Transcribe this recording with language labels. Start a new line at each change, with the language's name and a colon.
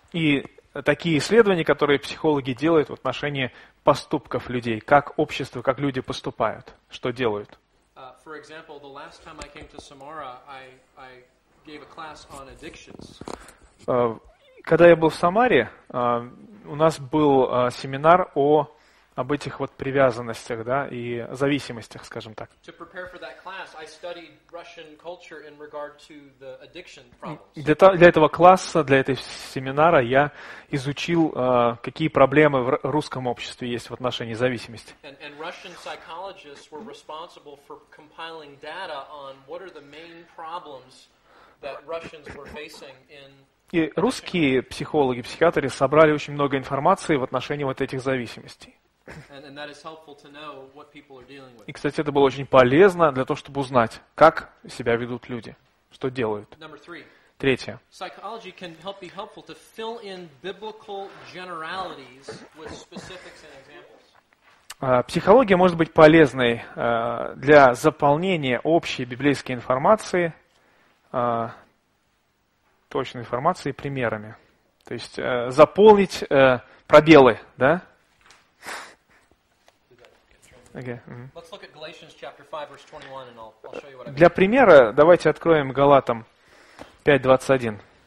Russian: И такие исследования, которые психологи делают в отношении поступков людей, как общество, как люди поступают, что делают.
English: For example, the last time I came to Samara, I gave a class on addictions.
Russian: Когда я был в Самаре, у нас был семинар о об этих вот привязанностях, да, и зависимостях, скажем так.
English: To prepare for that class, I studied Russian culture in regard to the addiction problems.
Russian: Для этого класса, для этого семинара я изучил, какие проблемы в русском обществе есть в отношении зависимости.
English: And Russian psychologists were responsible for compiling data on what are the main problems that Russians were facing in.
Russian: И русские психологи, психиатры собрали очень много информации в отношении вот этих зависимостей.
English: And that is helpful to know what people are dealing with.
Russian: И, кстати, это было очень полезно для того, чтобы узнать, как себя ведут люди, что делают.
English: Number three.
Russian: Третье.
English: Psychology can help be helpful to fill in biblical generalities with specifics and examples.
Russian: Психология может быть полезной для заполнения общей библейской информации, точной информации примерами. То есть заполнить пробелы, да?
English: Okay. Mm-hmm. Let's look at Galatians chapter 5 verse 21 and I'll show you what I mean.
Russian: Для примера давайте откроем Галатам 5:21.